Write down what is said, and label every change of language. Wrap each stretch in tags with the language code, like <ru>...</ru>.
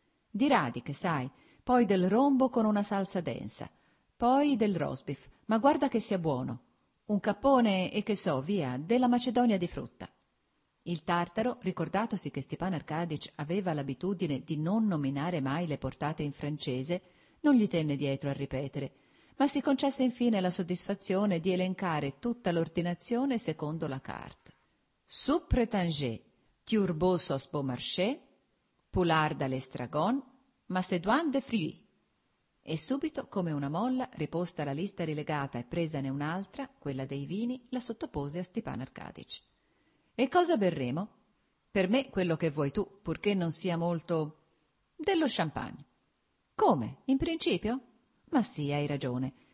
<it>«Di radiche, sai, poi del rombo con una salsa densa, poi del rosbif, ma guarda che sia buono, un cappone e che so, via, della macedonia di frutta». Il tartaro, ricordatosi che Stepan Arkadich aveva l'abitudine di non nominare mai le portate in francese, non gli tenne dietro a ripetere, ma si concesse infine la soddisfazione di elencare tutta l'ordinazione secondo la carte.</it> <fr>«Soupe prétanger, turbot sauce beaumarchais, poulard à l'estragon, macédoine de fruits».</fr> <it>E subito, come una molla, riposta la lista rilegata e presane un'altra, quella dei vini, la sottopose a Stepan Arkadich. «E cosa berremo? Per me quello che vuoi tu, purché non sia molto... dello champagne». «Come? In principio? Ma sì, hai ragione.</it>